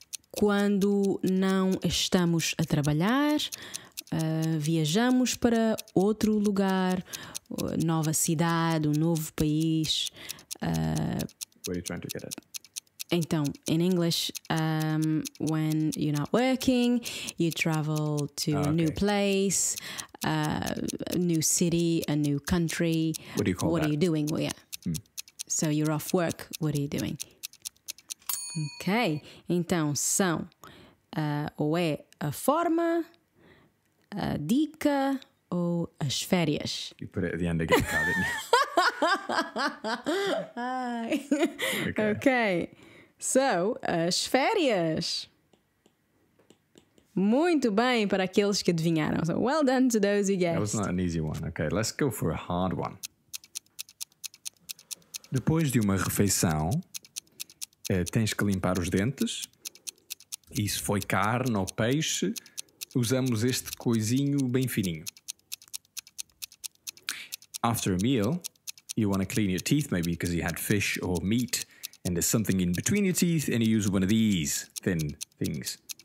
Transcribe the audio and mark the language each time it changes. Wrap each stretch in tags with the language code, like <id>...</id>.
<pt>Quando não estamos a trabalhar, viajamos para outro lugar, nova cidade, novo país.</pt> <en>What are you trying to get at?</en> <pt>Então,</pt> <en>in English, when you're not working, you travel to a new place, a new city, a new country. What do you call what that? What are you doing? Well, yeah. So you're off work, what are you doing?</en> <pt>Ok, então são ou é a forma, a dica ou as férias?</pt> <en>You put it at the end again, didn't you? Hi. Okay. So, as férias.</en> <pt>Muito bem para aqueles que adivinharam.</pt> <en>So, well done to those who guessed. That was not an easy one. Okay, let's go for a hard one.</en> <pt>Depois de uma refeição, tens que limpar os dentes. E se foi carne ou peixe, usamos este coisinho bem fininho.</pt> <en>After a meal, you want to clean your teeth, maybe because you had fish or meat, and there's something in between your teeth, and you use one of these thin things.</en>